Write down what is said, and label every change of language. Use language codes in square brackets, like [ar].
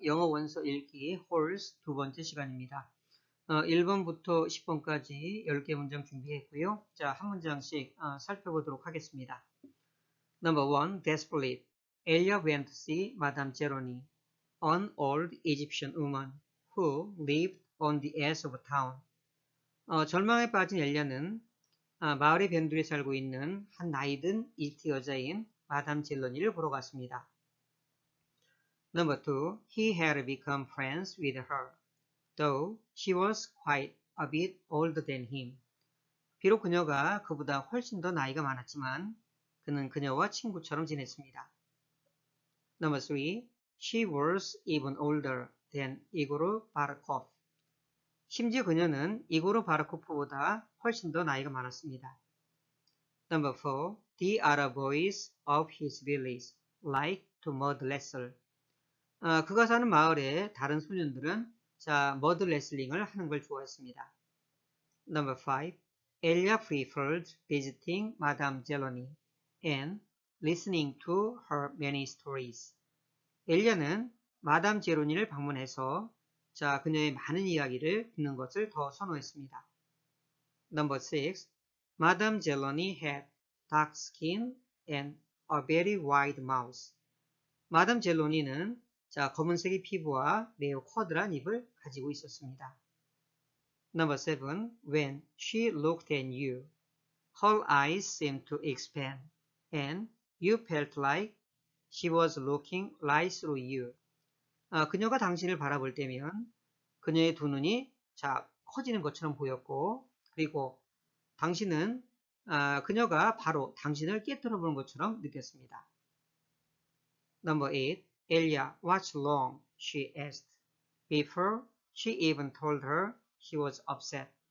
[ko] 영어 원서 읽기 홀스 두 번째 시간입니다. 1번부터 10번까지 10개 문장 준비했고요. 자, 한 문장씩 살펴보도록 하겠습니다. [en] Number 1. Desperately, Elia went to see Madame Jeroni, an old Egyptian woman who lived on the edge of town. [ko] 절망에 빠진 엘리아는 마을의 변두리에 살고 있는 한 나이든 이집트 여자인 마담 젤로니를 보러 갔습니다. [en] Number 2. He had become friends with her, though she was quite a bit older than him. [ko] 비록 그녀가 그보다 훨씬 더 나이가 많았지만 그는 그녀와 친구처럼 지냈습니다. [en] Number 3. She was even older than Igor Barkov. [ko] 심지어 그녀는 이고르 바르코프보다 훨씬 더 나이가 많았습니다. [en] Number 4. The other boys of his village like to mud wrestle. [ko] 그가 사는 마을에 다른 소년들은 머드 레슬링을 하는 걸 좋아했습니다. [en] Number 5. Elia preferred visiting Madame Jeloni and listening to her many stories. [ko] 엘리아는 마담 제로니를 방문해서 그녀의 많은 이야기를 듣는 것을 더 선호했습니다. [en] Number 6. Madame Jeloni had dark skin and a very wide mouth. [ko] 마담 젤로니는 검은색의 피부와 매우 커다란 입을 가지고 있었습니다. [en] Number 7. When she looked at you, her eyes seemed to expand, and you felt like she was looking right through you. [ko] 그녀가 당신을 바라볼 때면 그녀의 두 눈이 커지는 것처럼 보였고, 그리고 당신은 그녀가 바로 당신을 꿰뚫어 보는 것처럼 느꼈습니다. [en] Number 8. Elia watched long, she asked, before she even told her she was upset.